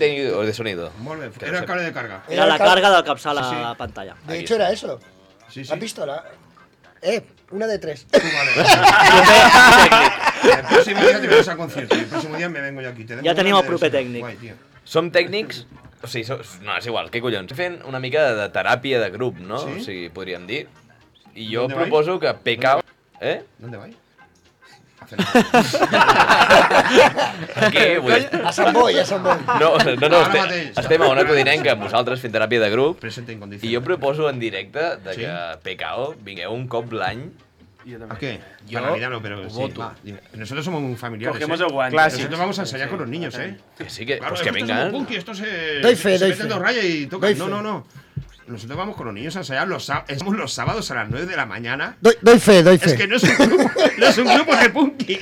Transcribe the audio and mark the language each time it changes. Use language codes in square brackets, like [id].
[es] Técnico de sonido. Muy bien, era el cable de carga. Era la carga del capsa a la pantalla. De hecho, era eso. Sí, sí. La pistola. Una de tres. Vale. El próximo día te vas a concierto. El próximo día me vengo yo aquí. Ya tenemos propio técnico. [ca] Som tècnics? O sigui, no, és igual, què collons. Fent una mica de teràpia de grup, no? Sí? O sigui, podríem dir. I jo proposo que pecau... Eh? D'on vaig? Aquí, vull... A Sant Boi. No, estem a una codinenca amb vosaltres fent teràpia de grup. Present en condició. I jo proposo en directe de que PKO vingueu un cop l'any. [es] ¿A qué? Yo para mirarlo, pero sí, voto. Nosotros somos muy familiares. Cogemos el guante. Clásico. Nosotros vamos a ensayar con los niños, ¿eh? Que sí, que, claro, pues que vengan. Es un punky, esto se mete dos rayas y toca. No. Nosotros vamos con los niños a ensayar los sábados a las 9 de la mañana. Doy fe. Es que no es un grupo de punky.